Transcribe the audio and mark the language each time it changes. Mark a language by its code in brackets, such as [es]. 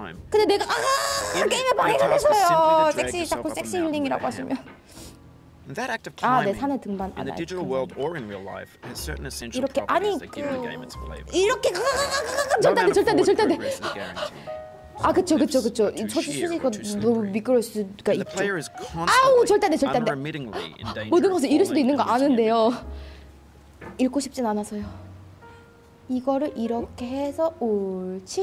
[ko] 근데 내가 게임에 방해가돼서요. 섹시 자꾸 섹시 힐링이라고 하시면. [en] And that act of climbing in the digital world or in real life has certain essential properties that give the game its flavor. [ko] 이렇게 절대 절대 절대. 아, 그쵸 그쵸 그쵸. 저기 수지가 너무 미끄러울 수가 있죠. 아우, 절대 절대. 모든 것을 잃을 수도 있는 거 아는데요. 잃고 싶진 않아서요. 이거를 이렇게 해서 옳지.